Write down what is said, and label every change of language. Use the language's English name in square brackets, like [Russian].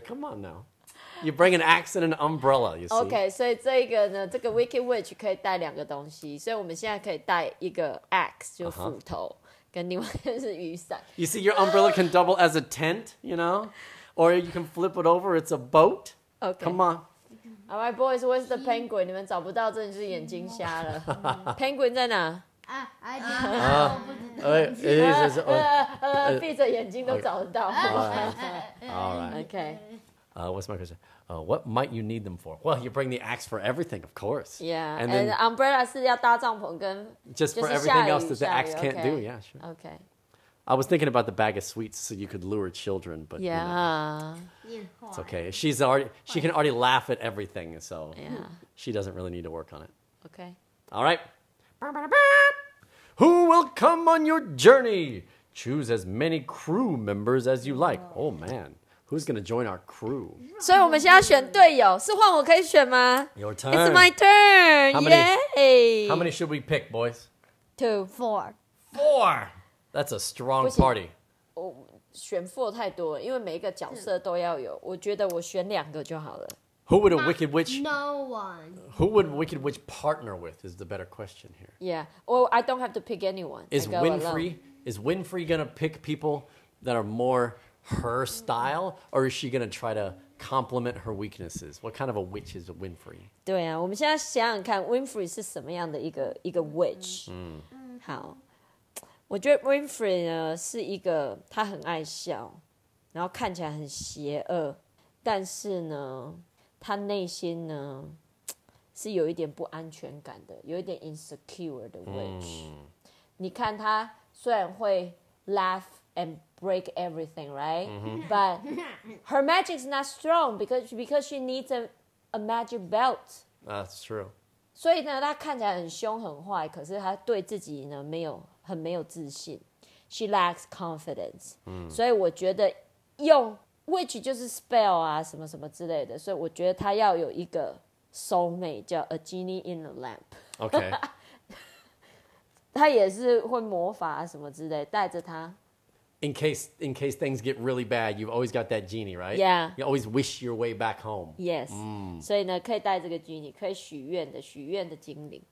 [English] Come on now. You bring an axe and an umbrella, you see. Okay, so this Wicked Witch can carry two things. So we can now carry an axe, which is a stick, and another is an umbrella. You see, your umbrella can double as a tent, you know? Or you can flip it over, it's a boat. Okay. Come on. All right, boys, where's the penguin? [Chinese] 你们找不到，真的是眼睛瞎了。 Penguin 在哪？ [English] I don't know. [Chinese] 闭着眼睛都找得到。 [English] All right. Okay. What's my question? What might you need them for? Well, you bring the axe for everything, of course. Yeah. And umbrella [Chinese] 是要搭帐篷跟。 [English] Just for everything else that the axe can't do. Yeah, sure. Okay. I was thinking about the bag of sweets so you could lure children, but yeah, you know, it's okay. She can already laugh at everything, so yeah. She doesn't really need to work on it. Okay. All right. Who will come on your journey? Choose as many crew members as you like. Oh man, who's going to join our crew? So we're going to choose teammates. Is it my turn? I can choose? Your turn. It's my turn. How many should we pick, boys? Two. Four. Four. That's a strong party. [Chinese] 选副太多了，因为每一个角色都要有。我觉得我选两个就好了。 [English] Who would a wicked witch? No one. Who would wicked witch partner with is the better question here. Yeah. Well, I don't have to pick anyone. Is Winfrey gonna pick people that are more her style, or is she gonna try to complement her weaknesses? What kind of a witch is Winfrey? [Chinese] 对啊，我们现在想想看 ，Winfrey 是什么样的一个 witch？ 好。我觉得 Winfrey 呢是一个他很爱笑，然后看起来很邪恶，但是呢他内心呢是有一点不安全感的，有一点 insecure 的 witch、你看他虽然会 [English] laugh and break everything right、but her magic is not strong because she needs a magic belt. That's true. [Chinese] 所以呢他看起来很凶很坏，可是他对自己呢没有很没有自信， [English] she lacks confidence、 [Chinese] 所以我觉得用 witch 就是 spell 啊什么什么之类的，所以我觉得他要有一个soulmate 叫 [English] a genie in the lamp OK [Chinese] 他也是会魔法什么之类带着他 [English] in case things get really bad you've always got that genie right yeah you always wish your way back home yes、 [Chinese] 所以呢可以带这个 genie 可以许愿的许愿的精灵